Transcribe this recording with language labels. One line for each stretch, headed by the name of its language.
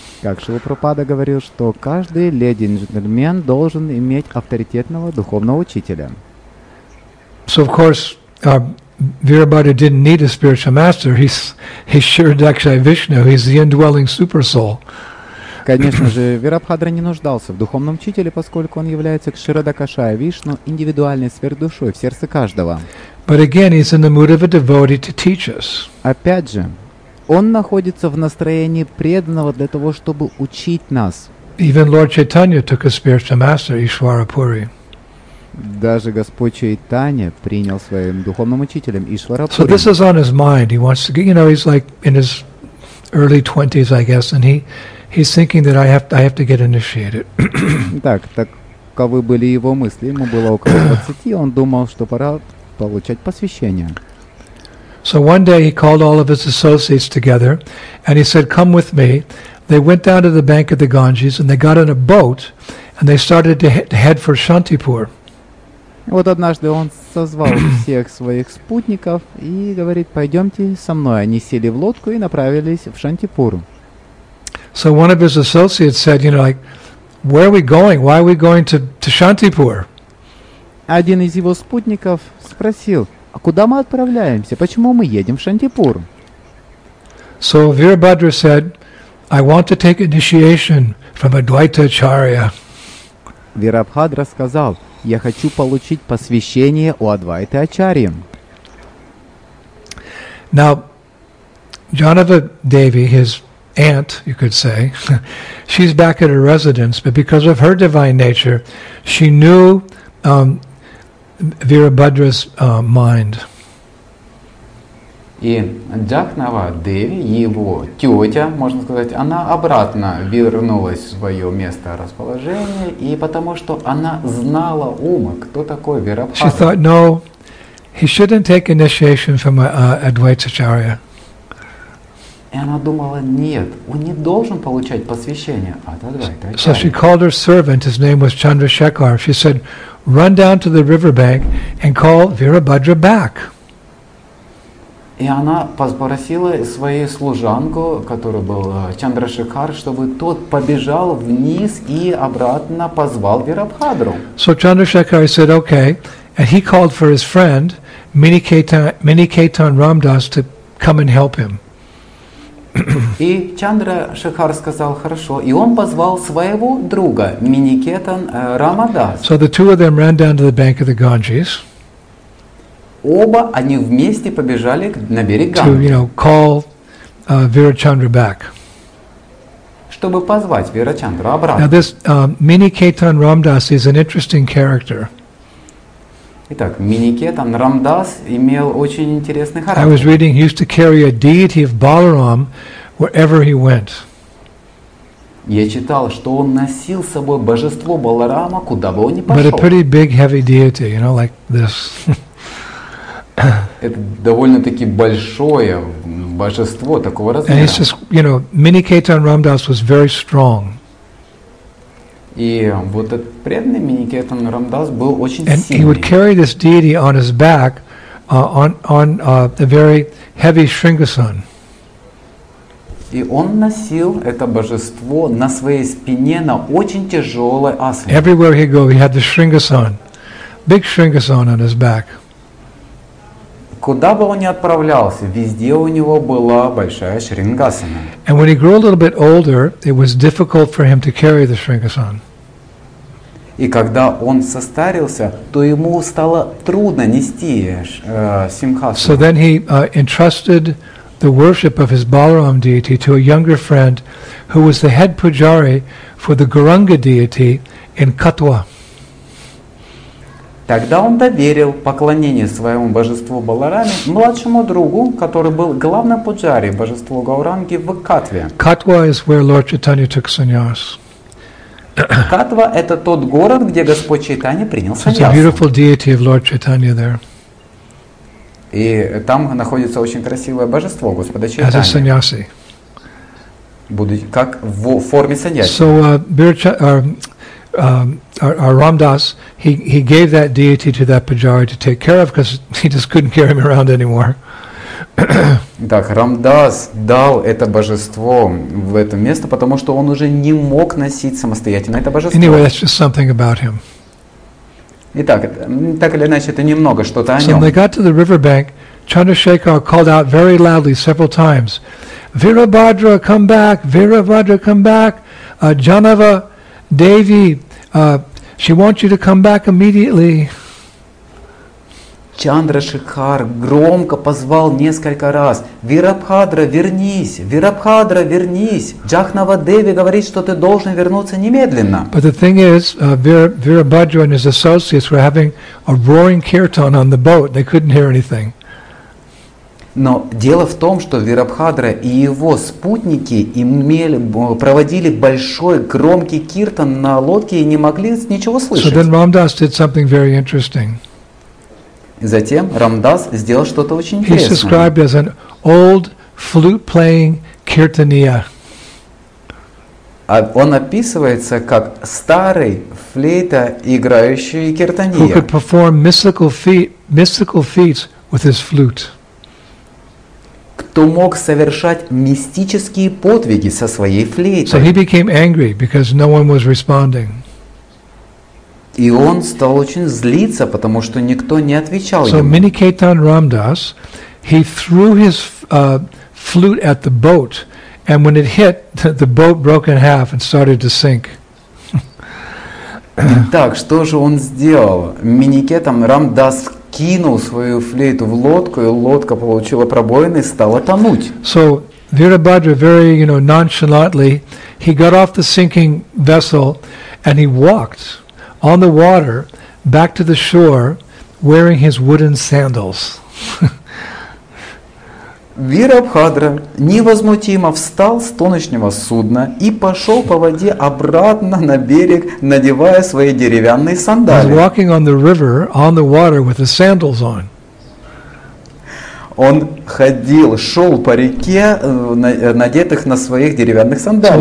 Russian: Как Шрила Прабхупада говорил, что каждый леди и джентльмен должен иметь авторитетного духовного учителя.
English: So of course, Virabhadra didn't need a spiritual master. He's Shirdakshay Vishnu. He's the indwelling super soul.
Russian: Конечно же, Вирабхадра не нуждался в духовном учителе, поскольку он является Кширадакашая Вишну, индивидуальной сверхдушой в сердце каждого.
English: But again, he's in the mood of a devotee to teach us.
Russian: Опять же, он находится в настроении преданного для того, чтобы учить нас.
English: Even Lord Chaitanya took a spiritual master, Ишвара Пури.
Russian: Даже Господь Чайтанья принял своим духовным учителем Ишвара Пури.
English: So this is on his mind. He wants to get, you know, he's like in his early 20s, I guess, and he's thinking that I have to get initiated.
Russian: Так, таковы были его мысли. Ему было около 20, он думал, что пора получать посвящение.
English: So one day he called all of his associates together and he said, "Come with me." They went down to the bank of the Ganges and they got in a boat and they started to head for Shantipur.
Russian: Вот однажды он созвал всех своих спутников и говорит: "Пойдемте со мной". Они сели в лодку и направились в Шантипур.
English: So one of his associates said, you know, like, where are we going? Why are we going to Shantipur?
Russian: Один из его спутников спросил, а куда мы отправляемся? Почему мы едем в Шантипур?
English: So Virabhadra said, I want to take initiation from Advaita Acharya.
Russian: Вирабхадра сказал: "Я хочу получить посвящение у Адвайты Ачарьи".
English: Now, Janava Devi, his aunt, you could say, she's back at her residence, but because of her divine nature, she knew Virabhadra's mind.
Russian: И Джахнава Деви, его тетя, можно сказать, она обратно вернулась в свое место расположения, и потому что она знала ума, кто такой Вирабхадра.
English: She thought, no, he shouldn't take initiation from Advaita Acharya.
Russian: И она думала, нет, он не должен получать посвящение от Адвайты Ачарьи.
English: So she called her servant, his name was Chandrasekhar. She said, run down to the riverbank and call Virabhadra back.
Russian: И она попросила свою служанку, которая была Чандрашекар, чтобы тот побежал вниз и обратно позвал Вирабхадру.
English: So Chandrasekhar said, okay, and he called for his friend Miniketan Ramdas to come and help him.
Russian: И Чандрашекар сказал, хорошо, и он позвал своего друга Миникетан Рамадас.
English: So the two of them ran down to the bank of the Ganges.
Russian: Оба они вместе побежали на берег Ганги.
English: To, you know, call Virachandra back.
Russian: Чтобы позвать Вирачандру обратно.
English: Now this Miniketan Ramdas is an interesting character.
Russian: Итак, Миникетан Рамдас имел очень интересный характер.
English: I was reading, he used to carry a deity of Balaram wherever he went.
Russian: Я читал, что он носил с собой божество Баларама, куда бы он ни пошел.
English: But a pretty big, heavy deity, you know, like this.
Russian: Это довольно-таки большое божество такого размера.
English: And he's just, you know, Miniketan Ramdas was very strong.
Russian: И вот этот преданный Миникетан Рамдас был очень
English: and
Russian: сильный.
English: He would carry this deity on his back on a very heavy Shringasan.
Russian: И он носил это божество на своей спине на очень тяжелой асане.
English: Everywhere he go, he had the Shringasan. Big Shringasan on his back.
Russian: Куда бы он ни отправлялся, везде у него была большая шрингасана.
English: And when he grew a little bit older, it was difficult for him to carry the shringasan.
Russian: И когда он состарился, то ему стало трудно нести симхасану.
English: So then he entrusted the worship of his Balaram deity to a younger friend who was the head pujari for the Garanga deity in Katwa.
Russian: Тогда он доверил поклонение своему божеству Баларами младшему другу, который был главным пуджари божеству Гауранги в Катве.
English: Катва is where Lord Chaitanya took sannyas.
Russian: Катва – это тот город, где Господь Чайтанья принял sannyas.
English: It's a beautiful deity of Lord Chaitanya there.
Russian: И там находится очень красивое божество Господа Чайтанья.
English: As a sannyasi.
Russian: Как в форме sannyasi.
English: So our Ramdas, he gave that deity to that pujari to take care of because he just couldn't carry him around anymore.
Russian: Так, Рамдас дал это божество в это место, потому что он уже не мог носить самостоятельно это божество.
English: Anyway, that's just something about him.
Russian: Итак, так или иначе, это немного что-то о нем.
English: So when they got to the riverbank, Chandrasekhar called out very loudly several times, Virabhadra, come back! Virabhadra, come back! Janava, Devi, she wants you to come back immediately.
Russian: Чандрашекхар громко позвал несколько раз. Вирабхадра, вернись! Вирабхадра, вернись! Джахнава Деви говорит, что ты должен вернуться немедленно.
English: But the thing is, Virabhadra and his associates were having a roaring kirtan on the boat. They couldn't hear anything.
Russian: Но дело в том, что Вирабхадра и его спутники имели, проводили большой громкий киртан на лодке и не могли ничего слышать.
English: So then Ramdas did something very interesting.
Russian: Затем Рамдас сделал что-то очень
English: He's
Russian: интересное.
English: He's described as an old flute-playing kirtaniya.
Russian: Он описывается как старый флейта-играющий киртания.
English: Who could perform mystical feats with his flute.
Russian: Кто мог совершать мистические подвиги со своей флейтой.
English: So he became angry, because no one was responding.
Russian: И он стал очень злиться, потому что никто не отвечал
English: so
Russian: ему.
English: So Miniketan Ramdas, he threw his flute at the boat And when it hit, the boat broke in half and started to sink.
Russian: Итак, что же он сделал? Минникетом Рамдас кинул свою флейту в лодку, и лодка получила пробоины и стала тонуть.
English: So Virabhadra very, you know, nonchalantly, he got off the sinking vessel and he walked on the water back to the shore wearing his wooden sandals.
Russian: Вирабхадра невозмутимо встал с тонущего судна и пошел по воде обратно на берег, надевая свои деревянные сандали.
English: He's walking on the river, on the water with his sandals on.
Russian: Он ходил, шел по реке, надетых на своих деревянных сандалях.